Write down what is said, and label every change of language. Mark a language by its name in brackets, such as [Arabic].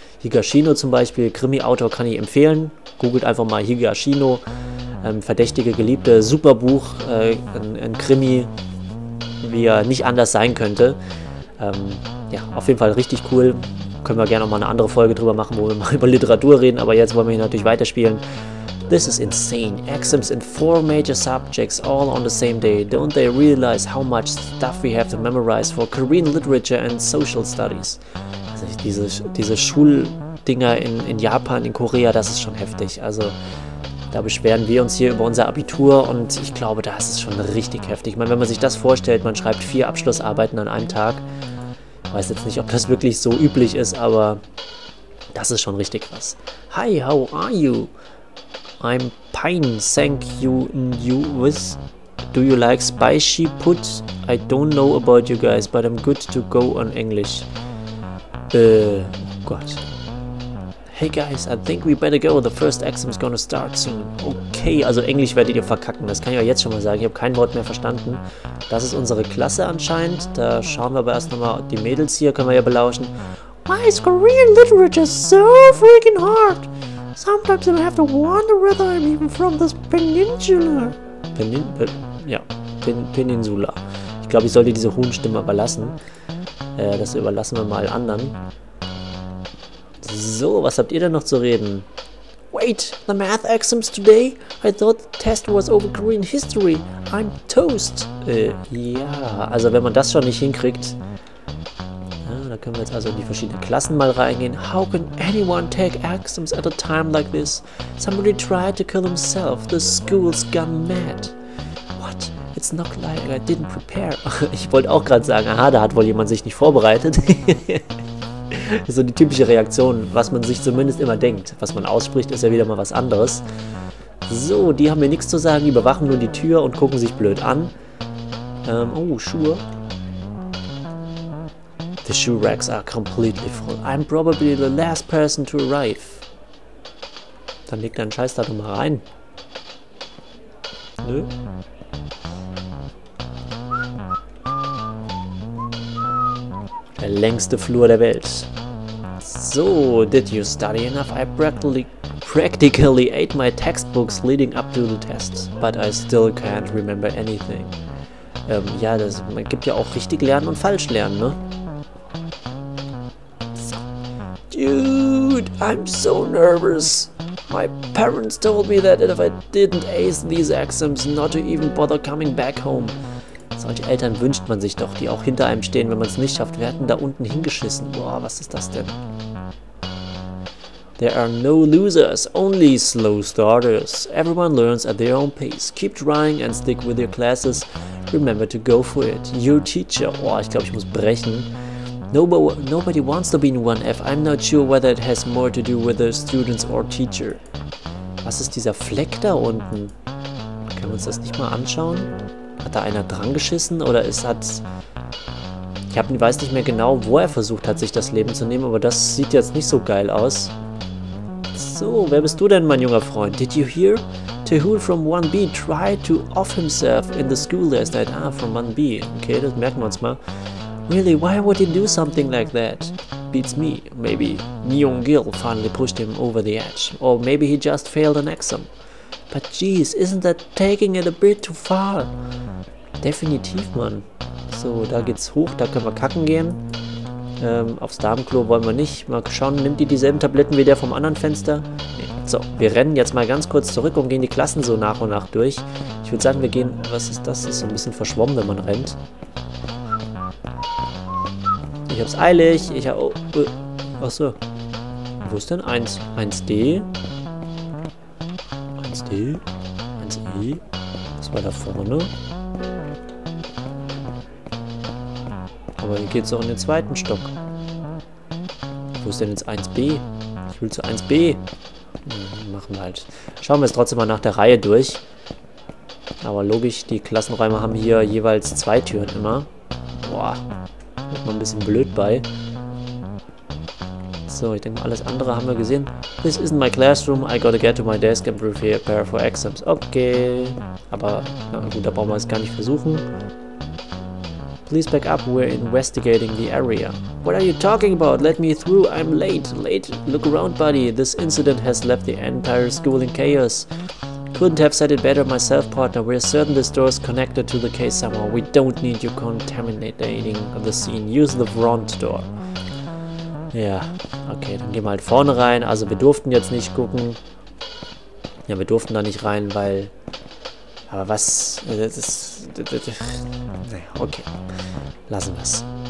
[German] Higashino zum Beispiel, Krimi-Autor kann ich empfehlen. Googelt einfach mal Higashino. Verdächtige Geliebte, super Buch, ein Krimi, wie er nicht anders sein könnte. Ja, auf jeden Fall richtig cool. Können wir gerne noch mal eine andere Folge drüber machen, wo wir mal über Literatur reden, aber jetzt wollen wir hier natürlich weiterspielen. [English] This is insane. Exams in 4 major subjects all on the same day. Don't they realize how much stuff we have to memorize for Korean literature and social studies? [German] Also diese Schuldinger in Japan, in Korea, das ist schon heftig. Also da beschweren wir uns hier über unser Abitur und ich glaube, das ist schon richtig heftig. Ich meine, wenn man sich das vorstellt, man schreibt 4 Abschlussarbeiten an einem Tag. Ich weiß jetzt nicht, ob das wirklich so üblich ist, aber das ist schon richtig krass. [English] Hi, how are you? I'm Pine, thank you, newest. Do you like spicy put? I don't know about you guys, but I'm good to go on English. [German] Gott. [English] Hey guys, I think we better go. The first exam's gonna start soon. [German] Okay, also Englisch werdet ihr verkacken. Das kann ich euch jetzt schon mal sagen. Ich habe kein Wort mehr verstanden. Das ist unsere Klasse anscheinend. Da schauen wir aber erst nochmal. Die Mädels hier können wir ja belauschen. [English] Why is Korean literature so freaking hard? Sometimes I have to wonder whether I'm even from this peninsula. Peninsula. [German] Ich glaube, ich sollte diese hohen Stimme überlassen. Das überlassen wir mal anderen. So, was habt ihr denn noch zu reden? [English] Wait, the math exams today? I thought the test was over Korean history. I'm toast. [German] Ja, also wenn man das schon nicht hinkriegt. Ja, da können wir jetzt also in die verschiedenen Klassen mal reingehen. [English] How can anyone take exams at a time like this? Somebody tried to kill himself. The school's gone mad. What? It's not like I didn't prepare. [German] Ich wollte auch gerade sagen, aha, da hat wohl jemand sich nicht vorbereitet. Das ist so die typische Reaktion, was man sich zumindest immer denkt. Was man ausspricht, ist ja wieder mal was anderes. So, die haben mir nichts zu sagen, überwachen nur die Tür und gucken sich blöd an. Schuhe. [English] The shoe racks are completely full. I'm probably the last person to arrive. [German] Dann leg deinen Scheiß da doch mal rein. Nö. Der längste Flur der Welt. So, [English] did you study enough? I practically ate my textbooks leading up to the test, but I still can't remember anything. [German] Ja, das, man gibt ja auch richtig lernen und falsch lernen, ne? [English] So. Dude, I'm so nervous. My parents told me that if I didn't ace these exams, not to even bother coming back home. [German] Solche Eltern wünscht man sich doch, die auch hinter einem stehen, wenn man es nicht schafft. Wir hatten da unten hingeschissen. Boah, was ist das denn? [English] There are no losers, only slow starters. Everyone learns at their own pace. Keep trying and stick with your classes. Remember to go for it. Your teacher. [German] Boah, ich glaube, ich muss brechen. [English] Nobody wants to be in 1F. I'm not sure whether it has more to do with the students or teacher. [German] Was ist dieser Fleck da unten? Können wir uns das nicht mal anschauen? Hat da einer dran geschissen oder ist hat... Ich hab, weiß nicht mehr genau, wo er versucht hat, sich das Leben zu nehmen, aber das sieht jetzt nicht so geil aus. So, wer bist du denn, mein junger Freund? [English] Did you hear? Tehul from 1B tried to off himself in the school last night. Ah, from 1B. [German] Okay, das merken wir uns mal. [English] Really, why would he do something like that? Beats me, maybe. Myung Gil finally pushed him over the edge. Or maybe he just failed an exam. But geez, isn't that taking it a bit too far? [German] Definitiv, Mann. So, da geht's hoch, da können wir kacken gehen. Aufs Damenklo wollen wir nicht. Mal schauen, nimmt die dieselben Tabletten wie der vom anderen Fenster? Nee. So, wir rennen jetzt mal ganz kurz zurück und gehen die Klassen so nach und nach durch. Ich würde sagen, wir gehen... Was ist das? Das ist so ein bisschen verschwommen, wenn man rennt. Ich hab's eilig. Ich hab... Oh, ach so. Wo ist denn 1? 1D? 1D? 1E? Was war da vorne? Aber hier geht's auch in den zweiten Stock. Wo ist denn jetzt 1B? Ich will zu 1B. Machen wir halt. Schauen wir es trotzdem mal nach der Reihe durch. Aber logisch, die Klassenräume haben hier jeweils zwei Türen immer. Boah. Wird mal ein bisschen blöd bei. So, ich denke mal, alles andere haben wir gesehen. [English] This isn't my classroom. I gotta get to my desk and prepare for exams. Okay. [German] Aber, na gut, da brauchen wir es gar nicht versuchen. [English] Please back up, we're investigating the area. What are you talking about? Let me through, I'm late. Late? Look around, buddy. This incident has left the entire school in chaos. Couldn't have said it better myself, partner. We're certain this door is connected to the case somehow. We don't need you contaminating the scene. Use the front door. [German] Ja, okay, dann gehen wir halt vorne rein. Also wir durften jetzt nicht gucken. Ja, wir durften da nicht rein, weil... Aber was? Okay, lassen wir es.